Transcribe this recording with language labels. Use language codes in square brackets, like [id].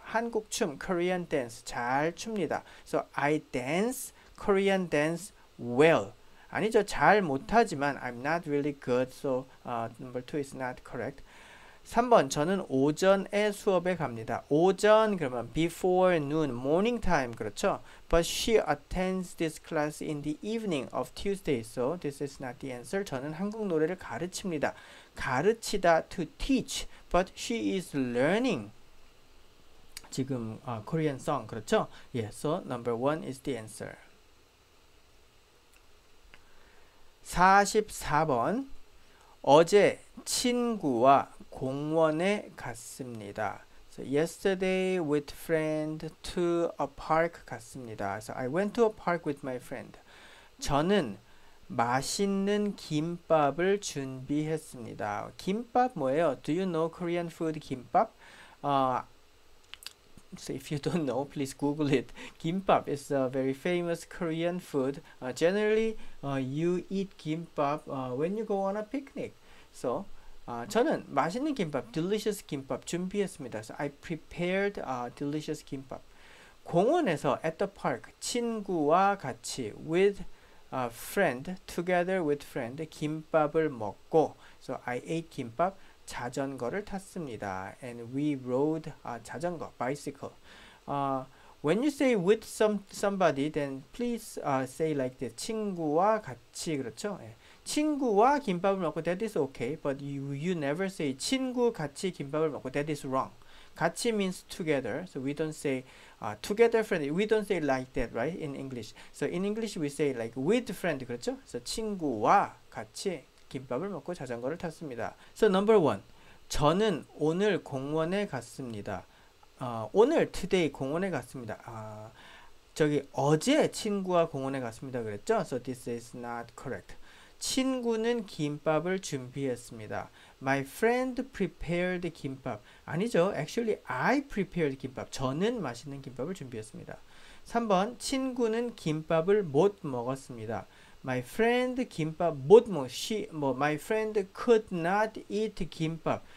[ko] 한국 춤, [en] Korean dance, [ko] 잘 춥니다. [en] So I dance Korean dance well. [ko] 아니죠, 잘 못하지만 [en] I'm not really good. So number 2 is not correct. [ko] 3번 저는 오전에 수업에 갑니다. 오전 그러면 [en] before noon, morning time [ko] 그렇죠? [en] But she attends this class in the evening of Tuesday. So this is not the answer. [ko] 저는 한국 노래를 가르칩니다. [en] 가르치다 to teach. But she is learning. [ko] 지금 [en] Korean song [ko] 그렇죠? [en] Yeah, so number 1 is the answer. [ko] 44번 어제 친구와 공원에 갔습니다. [en] So yesterday with friend to a park [ko] 갔습니다. [en] So I went to a park with my friend. [ko] 저는 맛있는 김밥을 준비했습니다. 김밥 뭐예요? [en] Do you know Korean food 김밥? So if you don't know, please Google it. Kimbap is a very famous Korean food. Generally, you eat kimbap when you go on a picnic. [ko] So 저는 맛있는 김밥, delicious 김밥 준비했습니다. [en] So I prepared delicious 김밥. [ko] 공원에서 [en] at the park [ko] 친구와 같이 [en] with a friend, together with friend [ko] 김밥을 먹고 [en] so I ate 김밥 [ko] 자전거를 탔습니다. [en] And we rode 자전거, bicycle. When you say with somebody, then please say like this. [ko] 친구와 같이, 그렇죠? 친구와 김밥을 먹고 [en] that is okay, but you never say [ko] 친구 같이 김밥을 먹고 [en] that is wrong. 같이 means together, so we don't say together friend. We don't say like that, right? In English. So in English, we say like with friend, [ko] 그렇죠? So 친구와 같이 김밥을 먹고 자전거를 탔습니다. [en] So number one, [ko] 저는 오늘 공원에 갔습니다. 오늘 today 공원에 갔습니다. 저기 어제 친구와 공원에 갔습니다. 그랬죠? [en] So this is not correct. [ko] 친구는 김밥을 준비했습니다. [en] My friend prepared 김밥. [ko] 아니죠. [en] Actually, I prepared 김밥. [ko] 저는 맛있는 김밥을 준비했습니다. 3번. 친구는 김밥을 못 먹었습니다. [en] My friend [ko] 김밥 못 먹. [en] She 뭐 my friend could not eat 김밥.